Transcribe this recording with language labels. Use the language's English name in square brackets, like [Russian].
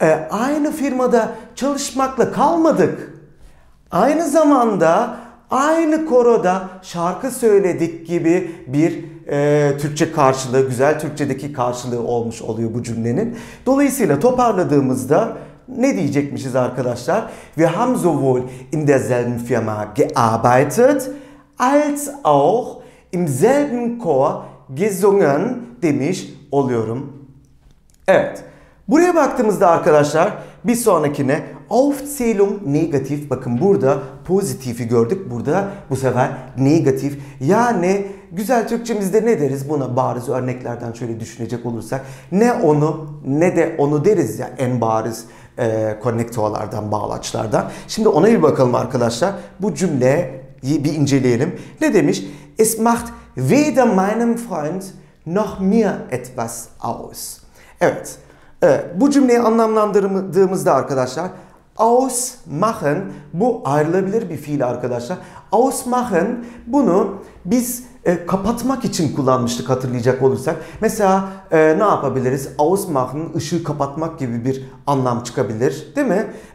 [Turkish] Aynı firmada çalışmakla kalmadık. Aynı zamanda aynı koroda şarkı söyledik gibi bir Türkçe karşılığı, güzel Türkçedeki karşılığı olmuş oluyor bu cümlenin. Dolayısıyla toparladığımızda ne diyecekmişiz arkadaşlar? [German] Wir haben sowohl in derselben Firma gearbeitet als auch im selben Chor gesungen [Turkish] demiş oluyorum. Evet. Buraya baktığımızda arkadaşlar bir sonrakine Aufzählung negatif. Bakın burada pozitifi gördük. Burada bu sefer negatif. Yani güzel Türkçemizde ne deriz buna bariz örneklerden şöyle düşünecek olursak. Ne onu ne de onu deriz ya en bariz konnektörlerden, bağlaçlardan. Şimdi ona bir bakalım arkadaşlar. Bu cümleyi bir inceleyelim. Ne demiş? [German] Es macht weder meinem Freund noch mir etwas aus. [Turkish] Evet. Bu cümleyi anlamlandırdığımızda arkadaşlar ausmachen bu ayrılabilir bir fiil arkadaşlar. Ausmachen bunu biz kapatmak için kullanmıştık hatırlayacak olursak. Mesela ne yapabiliriz? Ausmachen ışığı kapatmak gibi bir anlam çıkabilir değil mi?